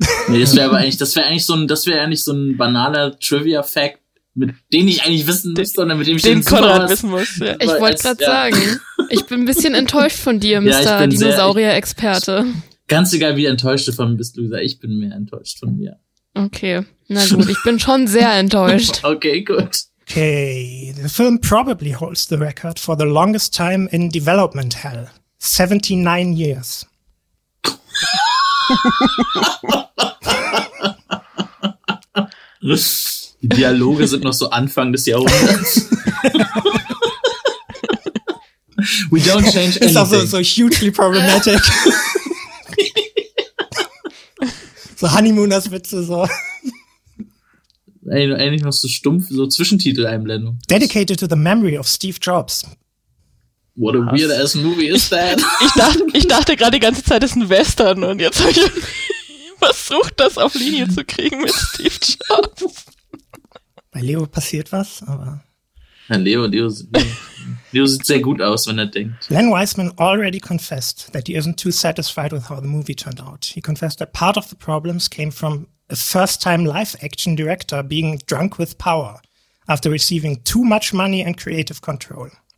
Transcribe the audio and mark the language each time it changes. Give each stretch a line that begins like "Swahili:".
German: Nee, das wäre aber eigentlich, das wäre eigentlich so ein banaler Trivia-Fact, mit dem ich eigentlich wissen müsste, sondern mit dem ich den Konrad wissen muss. Ja. Ich wollte gerade sagen, ich bin ein bisschen enttäuscht von dir, Mr. Ja, Dinosaurier-Experte. Ganz egal, wie enttäuscht du von mir bist, Luisa, ich bin mehr enttäuscht von mir. Okay, na gut, ich bin schon sehr enttäuscht. Okay, gut.
English: Okay, the film probably holds the record for the longest time in development hell. 79 years.
German: Die Dialoge sind noch so Anfang des Jahrhunderts.
English: We don't change anything. It's also so hugely problematic.
German: So Honeymooners-Witze, so. Eigentlich noch so stumpf, so Zwischentitel-Einblendung.
English: Dedicated to the memory of Steve Jobs. What a weird-ass movie is that?
German: Ich dachte gerade die ganze Zeit, es ist ein Western. Und jetzt habe ich versucht, das auf Linie zu kriegen mit Steve Jobs. Bei Leo passiert was, aber... Ja, Leo sieht sehr gut aus, wenn er denkt.
English: Len Wiseman already confessed that he isn't too satisfied with how the movie turned out. He confessed that part of the problems came from a first-time live-action director being drunk with power after receiving too much money and creative control.